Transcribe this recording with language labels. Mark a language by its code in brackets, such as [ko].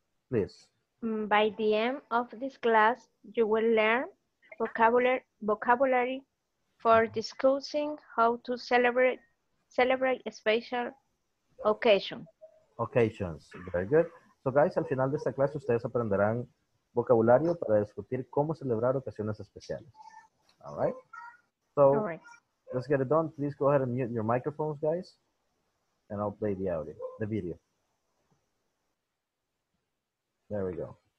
[en] Please. By the end of this class, you will learn vocabulary for discussing how to celebrate a special occasion. Occasions, very good. So guys, [es] al final de esta clase, ustedes aprenderán vocabulario para discutir cómo celebrar ocasiones especiales. [en] All right? So, all right. Let's get it done. Please go ahead and mute your microphones, guys, and I'll play the audio, the video. There we go.